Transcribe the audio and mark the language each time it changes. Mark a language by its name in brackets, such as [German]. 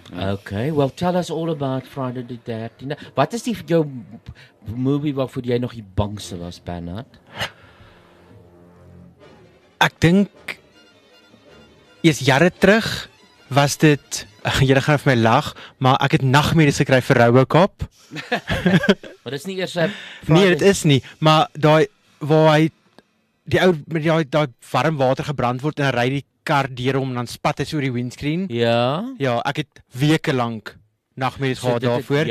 [English] Okay, well tell us all about Friday the 13th. [Afrikaans] Wat is die jou movie waarvoor jy nog die bangste was, Bernard? Ek dink eers jare terug was dit, jy gaan vir my lag, maar ek het nagmerries gekry vir RoboCop. Maar dit is nie eers a Nee, dit is nie, maar daai waar hy die ou met daai warm water gebrand word en hy ry die kar deur hom en dan spat hy oor die windscreen. Ja. Ja, ek het weke lank nagmerries gehad daarvoor.